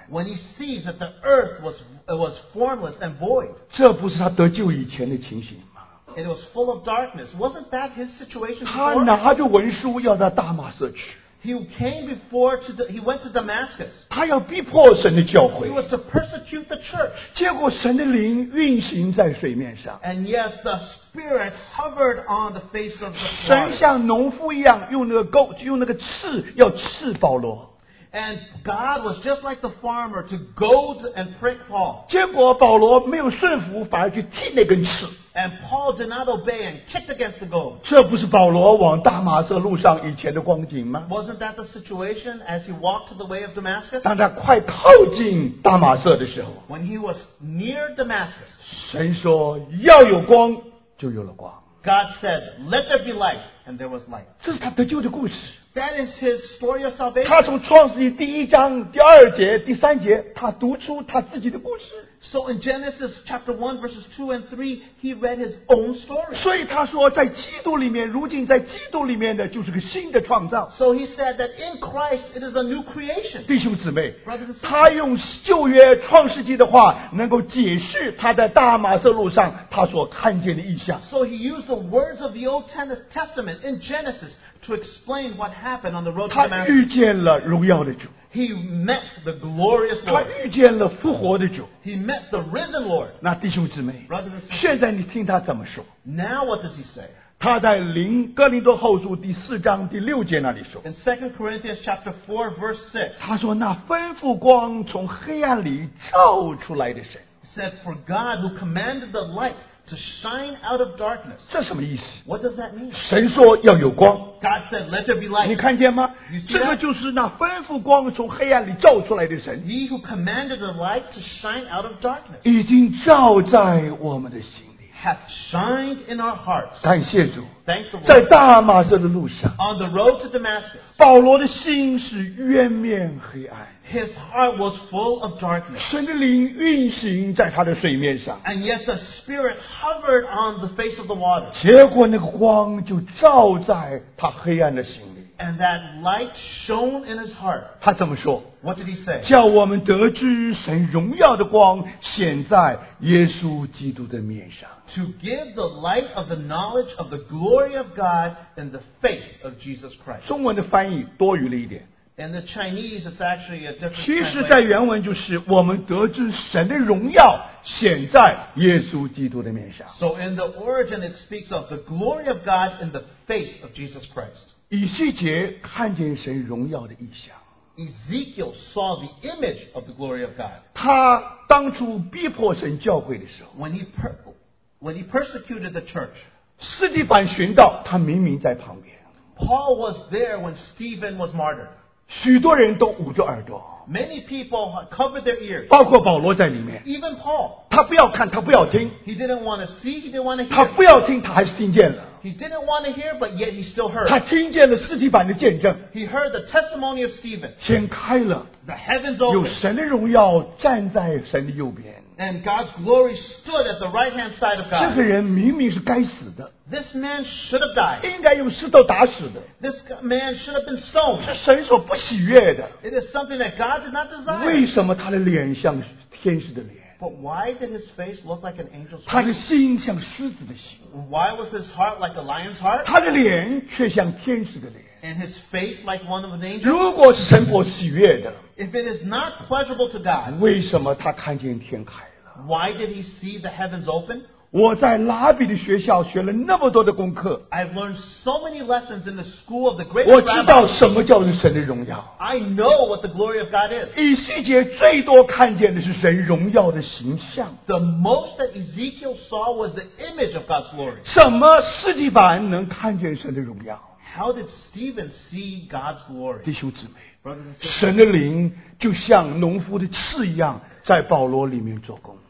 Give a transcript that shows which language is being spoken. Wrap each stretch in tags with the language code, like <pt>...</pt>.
<en>when he sees that the earth was formless and void,</en> <zh>这不是他得救以前的情形吗?</zh> <en>It was full of darkness. Wasn't that his situation before?</en> <zh>他拿着文书要到大马色去,</zh> <en>he went to Damascus.</en> <zh>他要逼迫神的教会,</zh> <en>he was to persecute the church.</en> <zh>结果神的灵运行在水面上,</zh> <en>and yet the Spirit hovered on the face of the water.</en> <zh>神像农夫一样用那个刺要刺保罗,</zh> <en>and God was just like the farmer to goad and prick Paul.</en> <zh>结果保罗没有顺服, 反而去踢那根刺,</zh> <en>and Paul did not obey and kicked against the goad.</en> <zh>这不是保罗往大马色路上以前的光景吗?</zh> <en>Wasn't that the situation as he walked to the way of Damascus?</en> <zh>当他快靠近大马色的时候,</zh> <en>when he was near Damascus,</en> <zh>神说要有光,</zh> <en>God said, let there be light, and there was light.</en> <zh>这是他得救的故事,</zh> <en>that is his story of salvation.</en> <zh>他从创世纪第一章第二节第三节, 他读出他自己的故事,</zh> <en>so in Genesis chapter 1 verses 2 and 3 he read his own story.</en> <zh>所以他说在基督里面, 如今在基督里面的就是个新的创造,</zh> <en>so he said that in Christ it is a new creation.</en> <zh>弟兄姊妹,</zh> <en>brothers and sisters,</en> <zh>他用旧约创世纪的话 能够解释他在大马色路上 他所看见的异象,</zh> <en>so he used the words of the Old Testament in Genesis to explain what happened on the road to Damascus.</en> <zh>他遇见了荣耀的主,</zh> <en>he met the glorious Lord.</en> <zh>他遇见了复活的主,</zh> <en>he met the risen Lord.</en> <zh>那弟兄姊妹,</zh> <en>brothers and sisters,</en> <zh>现在你听他怎么说,</zh> <en>now what does he say?</en> <zh>他在哥林多后书第四章第六节那里说,</zh> <en>in 2 Corinthians chapter 4 verse 6,</en> <zh>他说那吩咐光从黑暗里照出来的神,</zh> <en>said, for God who commanded the light to shine out of darkness.</en> <zh>这什么意思?</zh> <en>What does that mean?</en> <zh>神说要有光,</zh> <en>God said, let there be light.</en> <zh>你看见吗?</zh> <en>You see that?</en> <zh>这个就是那吩咐光从黑暗里照出来的神,</zh> <en>he who commanded the light to shine out of darkness,</en> <zh>已经照在我们的心里,</zh> <en>hath shined in our hearts.</en> <zh>感谢主,</zh> <en>thank the Lord.</en> <zh>在大马色的路上,</zh> <en>on the road to Damascus,</en> <zh>保罗的心是渊面黑暗,</zh> <en>his heart was full of darkness.</en> <zh>神的灵运行在他的水面上,</zh> <en>and yet the Spirit hovered on the face of the water.</en> <zh>结果那个光就照在他黑暗的心里,</zh> <en>and that light shone in his heart.</en> <zh>他怎么说?</zh> <en>What did he say?</en> <zh>叫我们得知神荣耀的光显在耶稣基督的面上,</zh> <en>to give the light of the knowledge of the glory of God in the face of Jesus Christ.</en> <zh>中文的翻译多余了一点,</zh> <en>in the Chinese, it's actually a different.</en> <zh>其实在原文就是我们得知神的荣耀显在耶稣基督的面上.</zh> <en>So in the origin, it speaks of the glory of God in the face of Jesus Christ.</en> <zh>以西结看见神荣耀的异象,</zh> <en>Ezekiel saw the image of the glory of God.</en> <zh>他当初逼迫神教会的时候,</zh> <en>when he persecuted the church,</en> <zh>斯蒂凡寻道,</zh> <en>Paul was there when Stephen was martyred.</en> <zh>许多人都捂着耳朵,</zh> <en>many people covered their ears,</en> <zh>包括保罗在里面,</zh> <en>even Paul.</en> <zh>他不要看,</zh> <en>he didn't want to see, he didn't want to hear.</en> <zh>他不要听,</zh> <en>he didn't want to hear, but yet he still heard.</en> <zh>他听见了斯提凡的见证,</zh> <en>he heard the testimony of Stephen.</en> <zh>天开了,</zh> <en>the heavens opened.</en> <zh>有神的荣耀站在神的右边,</zh> <en>and God's glory stood at the right hand side of God.</en> <zh>这个人明明是该死的,</zh> <en>this man should have died.</en> <zh>应该用石头打死的,</zh> <en>this man should have been stoned.</en> <zh>是神所不喜悦的,</zh> <en>it is something that God did not desire.</en> <zh>为什么他的脸像天使的脸?</zh> <en>But why did his face look like an angel's</en> <zh>face? 他的心像狮子的心,</zh> <en>why was his heart like a lion's heart?</en> <zh>他的脸却像天使的脸,</zh> <en>and his face like one of an angel's?</en> <zh>如果是神所喜悦的,</zh> <en>if it is not pleasurable to God,</en> <zh>为什么他看见天开了?</zh> <en>Why did he see the heavens open?</en> <zh>我在拉比的学校学了那么多的功课,</zh> <en>I've learned so many lessons in the school of the great rabbi.</en> <zh>我知道什么叫神的荣耀,</zh> <en>I know what the glory of God is.</en> <zh>以西结最多看见的是神荣耀的形象,</zh> <en>the most that Ezekiel saw was the image of God's glory.</en> <zh>什么斯蒂凡能看见神的荣耀?</zh> <en>How did Stephen see God's glory?</en> <zh>弟兄姊妹,</zh> <en>brothers,</en> <zh>神的灵就像农夫的刺一样在保罗里面做工,</zh>